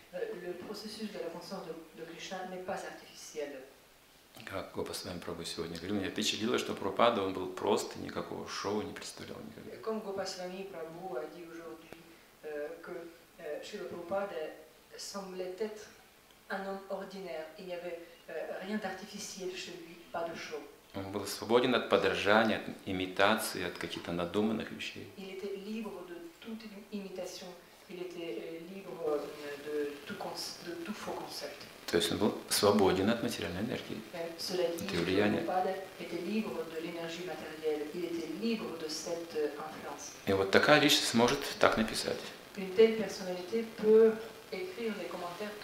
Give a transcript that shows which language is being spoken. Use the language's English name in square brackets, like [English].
[French] Le processus de la conscience de Krishna n'est pas artificiel. [Russian] Как Гопа с вами пробует сегодня говорил, меня впечатлило, что Прабхупада, он был прост, никакого шоу не представлял никогда. [French] Comme Гопа с вами Прабху a dit aujourd'hui que Шрила Прабхупада semblait être un homme ordinaire. Il n'y avait rien d'artificiel chez lui, pas de show. [Russian] Он был свободен от подражания, от имитации, от каких-то надуманных вещей. [French] Il était libre de toute imitation. Il était libre de tout faux concept. [Russian] То есть он был свободен от материальной энергии. [French] Cela dit, Прабхупада était libre de l'énergie matérielle. Il était libre de cette influence. [Russian] И вот такая личность может так написать. [French] Une telle personnalité peut écrire les commentaires.